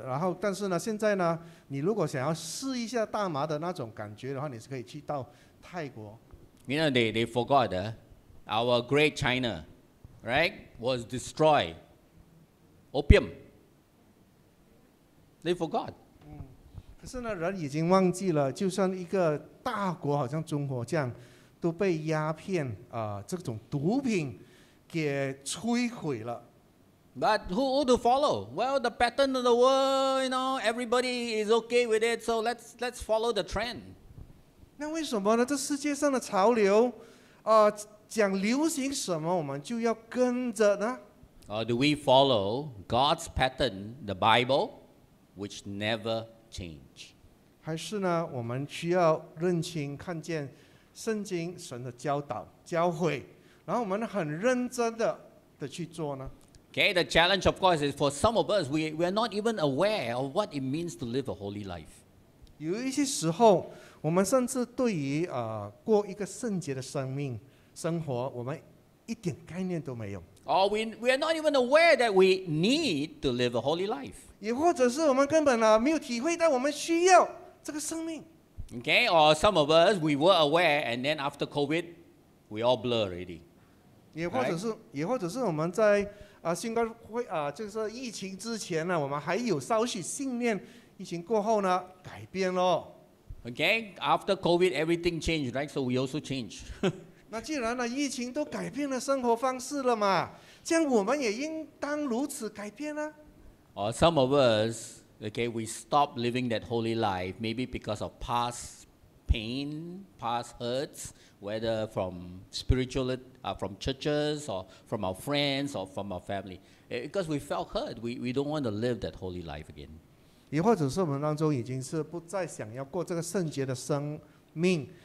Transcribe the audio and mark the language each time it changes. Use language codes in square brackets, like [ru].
[zh] 然后但是呢，现在呢，你如果想要试一下大麻的那种感觉的话，你是可以去到泰国。 [en] You know, they forgot our great China, right? Was destroyed. Opium. They forgot. [zh] 可是呢，人已经忘记了，就算一个大国好像中国这样，都被鸦片这种毒品给摧毁了。 [en] But who to follow? Well, the pattern of the world, you know, everybody is okay with it, so let's follow the trend. [zh] 那为什么呢？这世界上的潮流，讲流行什么，我们就要跟着呢 [en] Or do we follow God's pattern, the Bible, which never change? [zh] 还是呢，我们需要认清、看见圣经神的教导、教诲，然后我们很认真的去做呢？ [en] Okay, the challenge, of course, is for some of us, we are not even aware of what it means to live a holy life. [zh] 有一些时候，我们甚至对于过一个圣洁的生命生活，我们一点概念都没有。 [en] Or we are not even aware that we need to live a holy life. [zh] 也或者是我们根本没有体会到我们需要这个生命。 [en] Okay, or some of us, we were aware, and then after COVID, we all blur already. [zh] 也或者是我们在新冠会就是疫情之前呢，我们还有稍许信念，疫情过后呢，改变了。 [en] Okay, after COVID, everything changed, right? So we also changed. [zh] 那既然呢，疫情都改变了生活方式了嘛，这样我们也应当如此改变啊。 [en] Or some of us, okay, we stop living that holy life, maybe because of past pain, past hurts, whether from from churches or from our friends or from our family, because we felt hurt, we don't want to live that holy life again. [zh] 也或者是我们当中已经是不再想要过这个圣洁的生命。